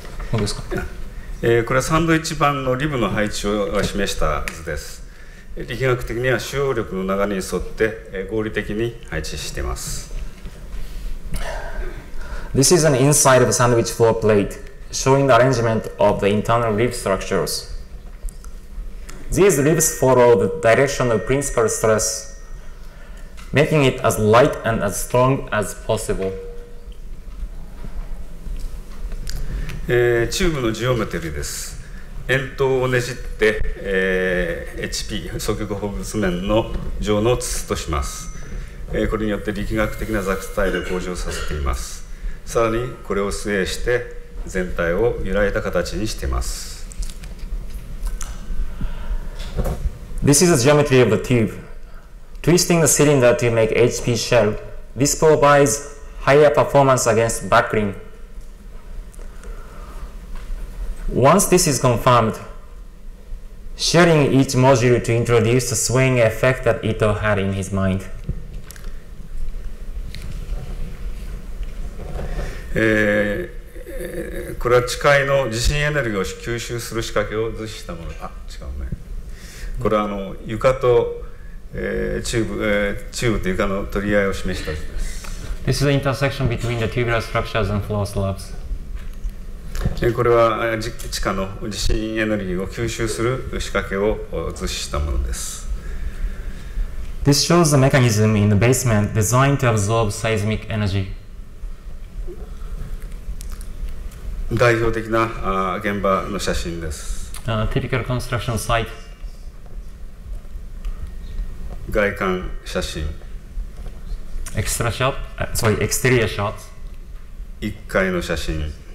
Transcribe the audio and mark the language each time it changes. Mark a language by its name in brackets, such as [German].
[Japanese] これはサンドイッチ版のリブの配置を示した図です。力学的には主要力の流れに沿って合理的に配置しています。 [English] This is an inside of a sandwich floor plate, showing the arrangement of the internal rib structures. These ribs follow the direction of principal stress, making it as light and as strong as possible. [Japanese] チューブのジオメトリーです。円筒をねじって、HP 双極放物面の上の筒とします。これによって力学的な座体力を向上させています。さらにこれを据えして全体を揺らいだ形にしています。 [English] This is the geometry of the tube. Twisting the cylinder to make HP shell, this provides higher performance against buckling. Once this is confirmed, shearing each module to introduce the swaying effect that Ito had in his mind. [Japanese] これは地下の地震エネルギーを吸収する仕掛けを図示したもの。あ、違うね。これは床と、チューブと床の取り合いを示したものです。 [English] This is the intersection between the tubular structures and floor slabs. [Japanese] これは地下の地震エネルギーを吸収する仕掛けを図示したものです。 [English] This shows the mechanism in the basement designed to absorb seismic energy. [Japanese] 代表的な現場の写真です。 [English] Typical construction site. [Japanese] 外観写真。 [English] Extra shot? Sorry, exterior shot. [Japanese] 一階の写真。